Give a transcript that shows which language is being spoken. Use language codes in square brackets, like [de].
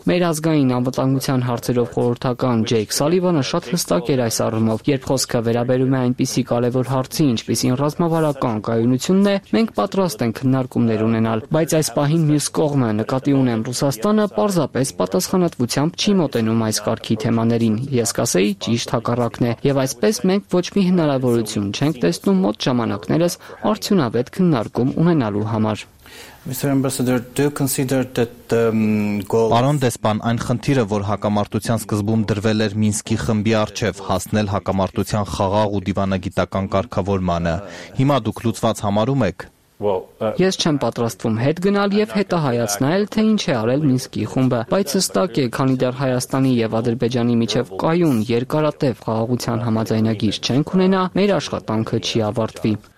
[hy] Մեր ազգային անվտանգության հարցերով խորհրդական Ջեյք Սալիվանը շատ հստակ էր այս առումով, երբ խոսքը վերաբերում է այնպիսի կարևոր հարցի, ինչպիսին ռազմավարական կայունությունն է, մենք պատրաստ ենք քննարկումներ ունենալ։ Բայց այս պահին մյուս կողմը, նկատի ունեմ, Ռուսաստանը պարզապես պատասխանատվությամբ չի մոտենում այս կարգի թեմաներին, ես կասեի ճիշտ հակառակն է, և այսպես մենք ոչ մի հնարավորություն չենք տեսնում մոտ ժամանակներս արդյունավետ քննարկում ունենալու համար։ [en] Mr. Ambassador, do you consider that the goal [hy] Պարոն Դեսպան, այն խնդիրը, որ հակամարտության սկզբում դրվել էր Մինսկի խմբի առջև, հասնել հակամարտության խաղաղ ու դիվանագիտական կարգավորմանը, հիմա դուք լուծված համարում եք։ Ես չեմ պատրաստվում հետ գնալ եւ հետահայացնել, թե ինչ է արել Մինսկի խումբը, բայց հստակ է, քանի դեռ Հայաստանի եւ Ադրբեջանի միջև կայուն երկարատև խաղաղության համաձայնագիր չեն ունենա, մեր աշխատանքը չի ավարտվի։